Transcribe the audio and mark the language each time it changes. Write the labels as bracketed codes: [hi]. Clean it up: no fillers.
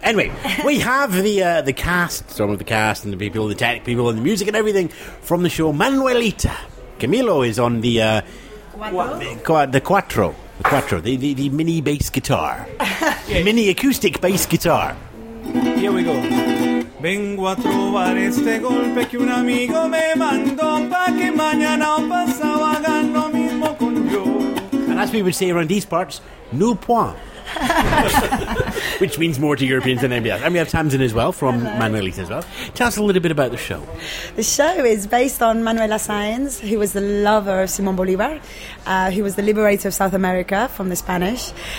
[en] Anyway, we have the cast, some of the cast and the people, the tech people and the music and everything from the show Manuelita. Camilo is on the [es] cuatro, [en] the mini bass guitar. Yes. Mini acoustic bass guitar. Here we go. [es] Vengo a trobar este golpe que un amigo me mandó pa' que mañana o pasado haga lo mismo con yo. [en] And as we would say around these parts, no point. Which means more to Europeans than anybody else. And we have Tamsin as well, from Manuelita as well. Tell us a little bit about the show. The show is based on Manuela Sáenz, who was the lover of Simón Bolívar, who was the liberator of South America from the Spanish.